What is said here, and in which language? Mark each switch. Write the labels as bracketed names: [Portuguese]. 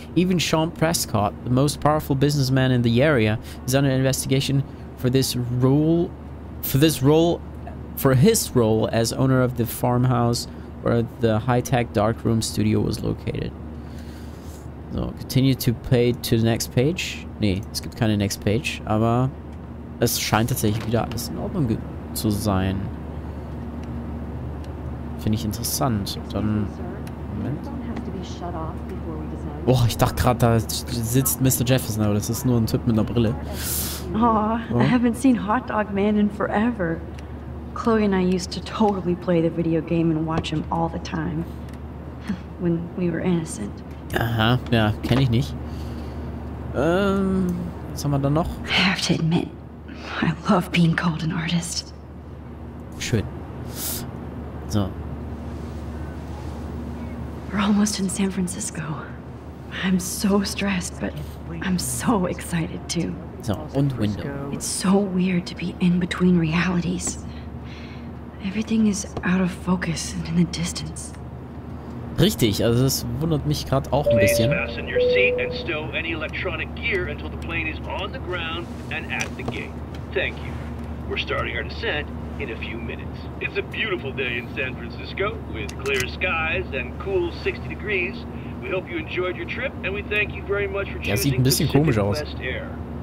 [English] Even Sean Prescott, the most powerful businessman in the area, is under investigation for his role as owner of the farmhouse where the high-tech darkroom studio was located. So, continue to pay to the next page. [German] Nee, es gibt keine [English] next page, [German] aber es scheint tatsächlich wieder alles in Ordnung zu sein. Finde ich interessant. Dann, Moment. Boah, ich dachte gerade, da sitzt Mr. Jefferson, aber das ist nur ein Typ mit einer Brille. [English] Aw, I haven't seen Hot Dog Man in forever. Chloe and I used to totally play the video game and watch him all the time. When we were innocent. [German] Aha, ja, kenn ich nicht. Was haben wir dann noch? [English] I have to admit, I love being called an artist. [German] Schön. So. [English] We're almost in San Francisco. I'm so stressed, but I'm so excited too. [German] So, und Window. [English] It's so weird to be in between realities. Everything is out of focus and in the distance. [German] Richtig, also es wundert mich gerade auch ein bisschen. [English] Please fasten your seat and stow any electronic gear until the plane is on the ground and at the gate. Thank you. We're starting our descent in a few minutes. It's a beautiful day in San Francisco with clear skies and cool 60 degrees. We hope you enjoyed your trip and we thank you very much for choosing Pacific West Air.